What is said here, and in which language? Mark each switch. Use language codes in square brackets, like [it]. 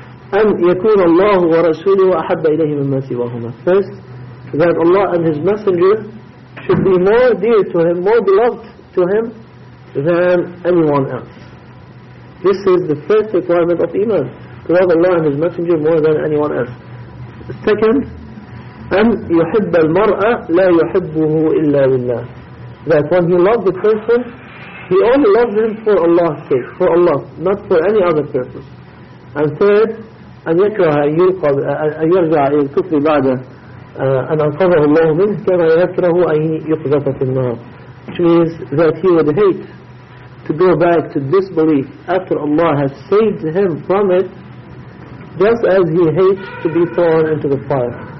[ar] أَنْ يَكُونَ اللَّهُ وَرَسُولُهُ أَحَبَّ إِلَيْهِ مِمَّا سِوَاهُمَا. [en] First, that Allah and His Messenger should be more dear to him, more beloved to him than anyone else. This is the first requirement of Iman, to love Allah and His Messenger more than anyone else. Second, [ar] أَنْ يُحِبَّ الْمَرْأَ لَا يُحِبُّهُ إِلَّا لِلَّهِ. [en] That when he loves the person, he only loves him for Allah's sake, for Allah, not for any other purpose. And third, [ar] أَنْ يَكْرَهَ أَنْ يَرْجَعَ إِلْ كُفْرِ بَعْدَ أَنْ أَنْقَذَهُ اللَّهُ مِنْهِ كَمَا يَكْرَهُ أَنْ يُقْذَفَ فِي النَّارِ. [en] Which means that he would hate to go back to disbelief after Allah has saved him from it, just as he hates to be thrown into the fire.